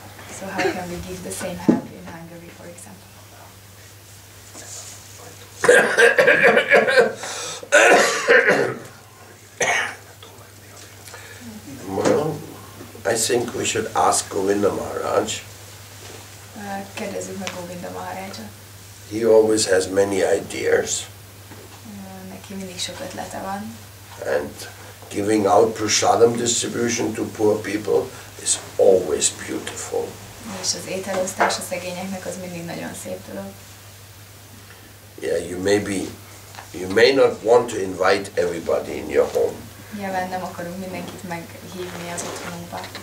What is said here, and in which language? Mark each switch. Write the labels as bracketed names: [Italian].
[English] So how can we give the same help in Hungary, for example? Well, I think we should ask Govinda Maharaj. [Hungarian] Kérdezzük meg Govinda Maharajot. [English] He always has many ideas. [Hungarian] Neki mindig sok ötlete van. [English] And giving out prasadam distribution to poor people is always beautiful. [Hungarian] És az ételosztás a szegényeknek az mindig nagyon szép dolog. [English] Yeah, you may not want to invite everybody in your home. [Hungarian] Nyilván nem akarunk mindenkit meghívni az otthonunkba.